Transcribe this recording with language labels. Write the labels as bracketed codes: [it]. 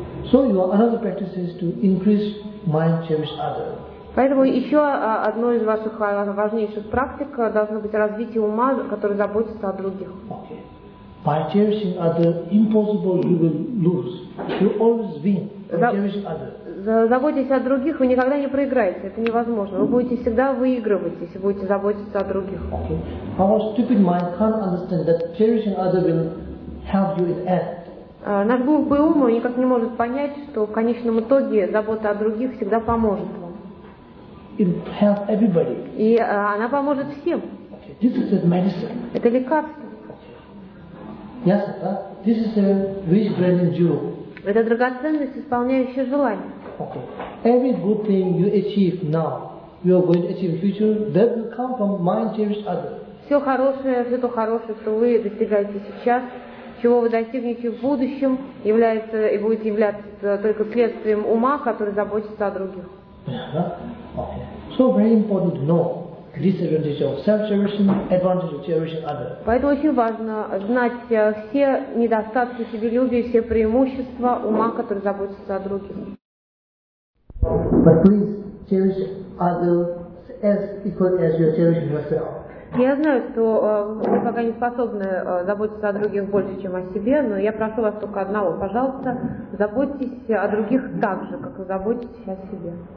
[en] So your another practice is to increase mind cherish other. [ru] Поэтому еще одно из ваших важнейших практик должно быть развитие ума, который заботится о других. [en] By cherishing other, impossible you will lose. You always win. [ru] Заботьтесь о других, вы никогда не проиграете, это невозможно. Вы будете всегда выигрывать, если будете заботиться о других. [en] Okay. Our stupid mind can't understand that cherishing other will help you in the end. [ru] Наш глупый ум никак не может понять, что в конечном итоге забота о других всегда поможет вам. [en] It'll help everybody. [ru] И она поможет всем. [en] Okay. This is a medicine. [ru] Это лекарство. [en] Okay. Yes, this is a wish granting jewel. [ru] Это драгоценность, исполняющая желание. [en] Okay. Every good thing you achieve now, you are going to achieve in future, that will come from mind cherished other. [ru] Все хорошее, все то хорошее, что вы достигаете сейчас, чего вы достигнете в будущем, является и будет являться только следствием ума, который заботится о других. [en] Okay. So very important to know. Disadvantage of self-cherishing, advantage of cherishing other. [ru] Поэтому очень важно знать все недостатки себелюбия, все преимущества ума, который заботится о других. [en] But please cherish others as equally as you're cherishing yourself. [ru] Я знаю, что вы пока не способны заботиться о других больше, чем о себе, но я прошу вас только одного. Пожалуйста, заботьтесь о других так же, как вы заботитесь о себе.